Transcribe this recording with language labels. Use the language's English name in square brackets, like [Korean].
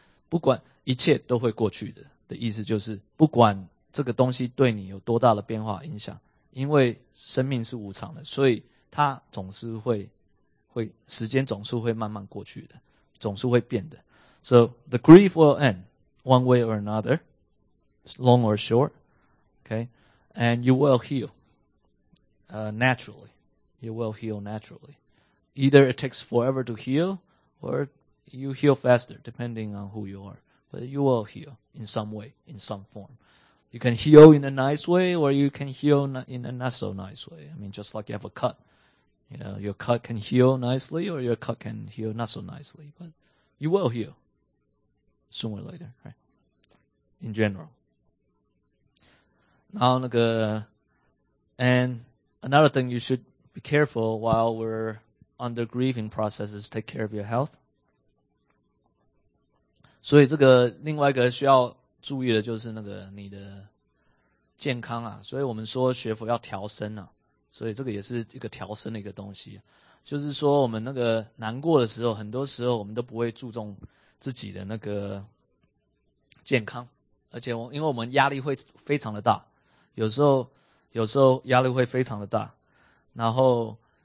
[Chinese] 不管一切都会过去的，的意思就是不管这个东西对你有多大的变化影响，因为生命是无常的，所以它总是会时间总是会慢慢过去的，总是会变的。 [English] So, the grief will end. One way or another, long or short, okay, and you will heal, naturally. You will heal naturally. Either it takes forever to heal, or you heal faster, depending on who you are. But you will heal in some way, in some form. You can heal in a nice way, or you can heal in a not so nice way. I mean, just like you have a cut. You know, your cut can heal nicely, or your cut can heal not so nicely, but you will heal. Sooner or later, right? In general. [Chinese] 然后那个 [English] and another thing you should be careful while we're under grieving process is take care of your health. [Chinese] 所以这个另外一个需要注意的就是那个你的健康啊，所以我们说学佛要调身啊，所以这个也是一个调身的一个东西，就是说我们那个难过的时候，很多时候我们都不会注重自己的那个健康，而且因为我们压力会非常的大，有时候压力会非常的大，然后